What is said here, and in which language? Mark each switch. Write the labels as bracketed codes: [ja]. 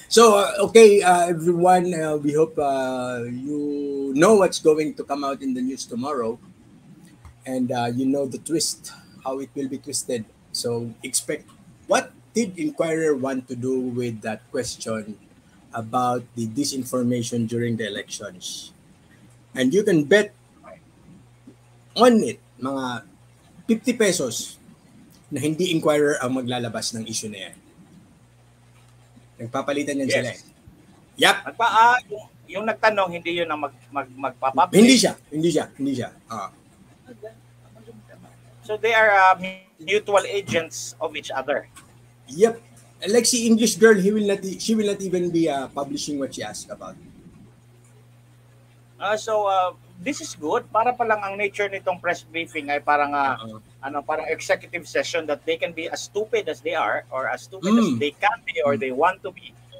[en] So, okay, everyone, we hope you know what's going to come out in the news tomorrow. And you know the twist, how it will be twisted. So, expect what did Inquirer want to do with that question about the disinformation during the elections? And you can bet on it, [tl] mga 50 pesos, na hindi Inquirer ang maglalabas ng issue na yan. Nagpapalitan yan sila. Yep. Yung nagtanong, hindi yun ang magpapapalit. Hindi siya. [en] So they are mutual agents of each other. Yep. Like si English girl, she will not even be publishing what she asked about. So this is good. [tl] Para pa lang ang nature nitong press briefing ay parang parang executive session [en] that they can be as stupid as they are or as stupid as they can be or they want to be.